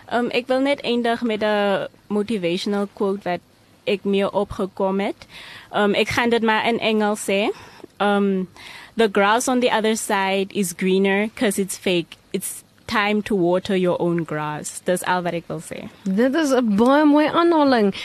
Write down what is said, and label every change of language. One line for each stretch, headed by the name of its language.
Afrikaans: Ek wil net eindig met een motivational quote wat ek mee opgekom het. Ek gaan dit maar in Engels sê.
English: The grass on the other side is greener because it's fake. It's time to water your own grass.
Afrikaans: Dit is al wat ek wil sê. Dit is een baie mooi aanhaling.